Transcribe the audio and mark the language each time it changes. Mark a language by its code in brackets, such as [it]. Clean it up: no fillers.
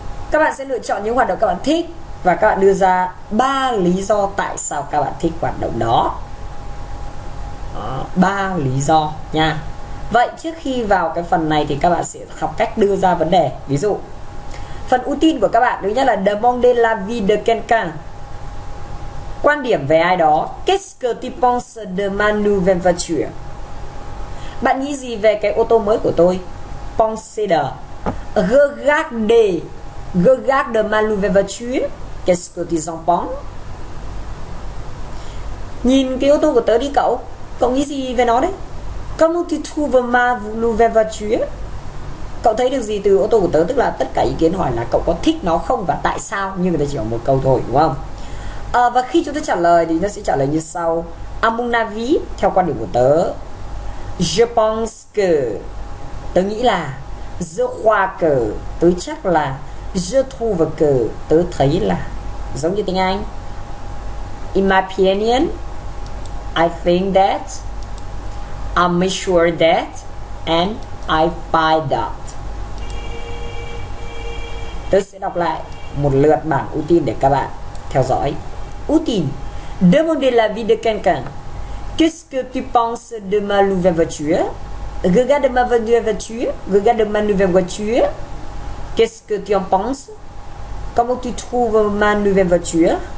[vi] Các bạn sẽ lựa chọn những hoạt động các bạn thích và các bạn đưa ra 3 lý do tại sao các bạn thích hoạt động đó. 3 lý do nha. Vậy trước khi vào cái phần này thì các bạn sẽ học cách đưa ra vấn đề. Ví dụ, phần ưu tiên của các bạn thứ nhất là [fr] demander l'avis de quelqu'un. [vi] Quan điểm về ai đó. [fr] Qu'est-ce que tu penses de ma nouvelle voiture? [vi] Bạn nghĩ gì về cái ô tô mới của tôi? [fr] Penser de. Regarde ma nouvelle voiture. Qu'est-ce que tu en penses? [vi] Nhìn cái ô tô của tớ đi cậu. Cậu nghĩ gì về nó đấy? [fr] Comment tu trouves ma nouvelle voiture? [vi] Cậu thấy được gì từ ô tô của tớ? Tức là tất cả ý kiến hỏi là cậu có thích nó không và tại sao. Nhưng người ta chỉ hỏi một câu thôi, đúng không? Và khi chúng ta trả lời thì nó sẽ trả lời như sau. [fr] À mon avis, [vi] theo quan điểm của tớ. [fr] Je pense que. [vi] Tớ nghĩ là. [fr] Je crois que. [vi] Tớ chắc là. [fr] Je trouve que. [vi] Tớ thấy là. Giống như tiếng Anh. [en] In my opinion, I think that, I'm sure that, and I find that. [vi] Tớ sẽ đọc lại một lượt bảng ưu tiên để các bạn theo dõi. Ưu tiên. [fr] Demander l'avis de quelqu'un. Qu'est-ce que tu penses de ma nouvelle voiture? Regarde ma nouvelle voiture. Regarde ma nouvelle voiture. Qu'est-ce que tu en penses? Comment tu trouves ma nouvelle voiture?